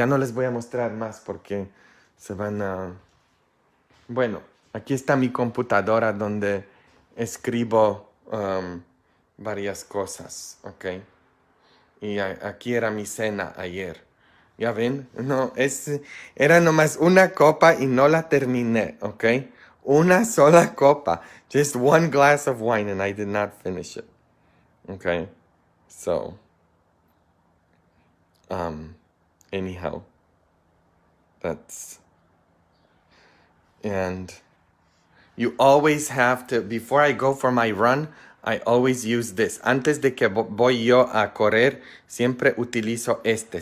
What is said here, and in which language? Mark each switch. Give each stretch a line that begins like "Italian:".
Spanish: Ya no les voy a mostrar más porque se van a... Bueno, aquí está mi computadora donde escribo varias cosas, ¿ok? Y aquí era mi cena ayer. ¿Ya ven? No, era nomás una copa y no la terminé, ¿ok? Una sola copa.
English: Just one glass of wine and I did not finish it. ¿Ok? So, anyhow, that's... And you always have to, before I go for my run, I always use this.
Spanish: Antes de que voy yo a correr, siempre utilizo este.